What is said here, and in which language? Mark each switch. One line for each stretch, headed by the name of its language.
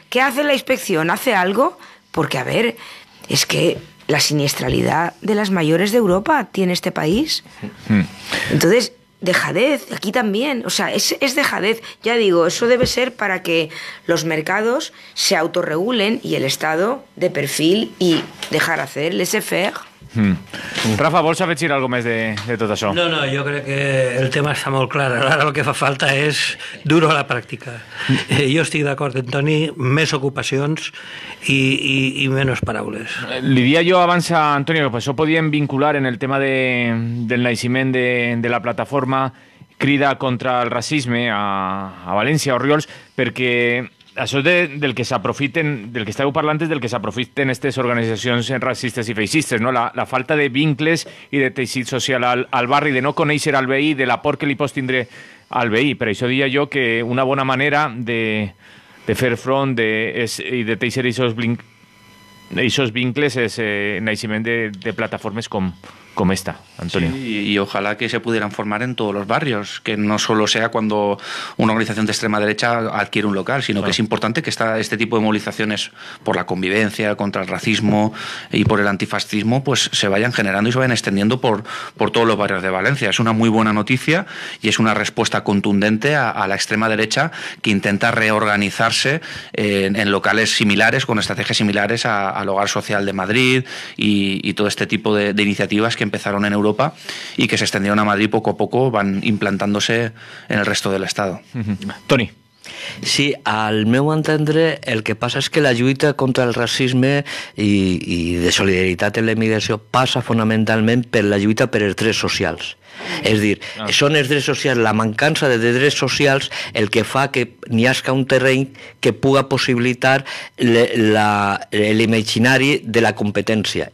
Spanish: ¿Qué hace la inspección? ¿Hace algo? Porque, a ver, es que la siniestralidad de las mayores de Europa tiene este país. Entonces... dejadez, aquí también, o sea, es dejadez. Ya digo, eso debe ser para que los mercados se autorregulen y el Estado de perfil y dejar hacer laissez-faire.
Catalan: Rafa, ¿vols afegir algo més de tot això? No, jo crec que el tema està molt clar. Ara el que fa falta és duro a la pràctica. Jo estic d'acord en Toni, més ocupacions i menys paraules. Li dia jo abans a Antonio que això podíem vincular en el tema del naixement de la plataforma Crida contra el Racisme a València, a Orriols, perquè... Això del que s'aprofiten, del que estàveu parlant, és del que s'aprofiten aquestes organitzacions racistes i feixistes, no? La falta de vincles i de teixit social al barri, de no conèixer al veí, de la por que li pots tindre al veí. Per això deia jo que una bona manera de fer front i de teixer aquests vincles és el naixement de plataformes com esta, Antonio.
Spanish: Sí, y ojalá que se pudieran formar en todos los barrios, que no solo sea cuando una organización de extrema derecha adquiere un local, sino que es importante que este tipo de movilizaciones por la convivencia, contra el racismo y por el antifascismo, pues se vayan generando y se vayan extendiendo por todos los barrios de Valencia. Es una muy buena noticia y es una respuesta contundente a la extrema derecha que intenta reorganizarse en locales similares, con estrategias similares al Hogar Social de Madrid y todo este tipo de iniciativas que empezaron en Europa y que se extendieron a Madrid, poco a poco van implantándose en el resto del Estado. Toni.
Catalan: Sí, al meu entendre, el que passa és que la lluita contra el racisme i de solidaritat en l'emigració passa fonamentalment per la lluita per els drets socials. És a dir, són els drets socials, la mancança de drets socials, el que fa que n'hi hagi un terreny que puga possibilitar l'imaginari de la competència.